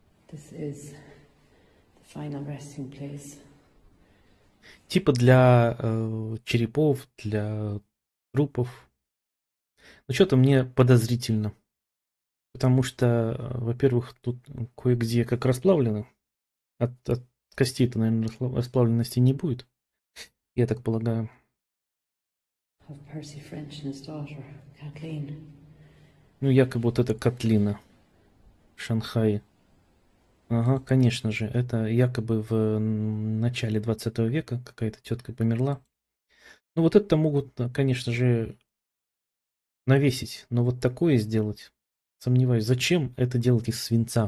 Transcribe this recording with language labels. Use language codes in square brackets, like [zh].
[en] This is the final resting place. [ru] Типа для черепов, для трупов. Ну что-то мне подозрительно. Потому что, во-первых, тут кое-где как расплавлено. От костей-то, наверное, расплавленности не будет. Я так полагаю. [en] Of Percy French and his daughter, Kathleen. [ru] Ну, якобы вот это Катлина в Шанхае. Ага, конечно же, это якобы в начале 20 века какая-то тетка померла. Ну, вот это могут, конечно же, навесить, но вот такое сделать, сомневаюсь, зачем это делать из свинца?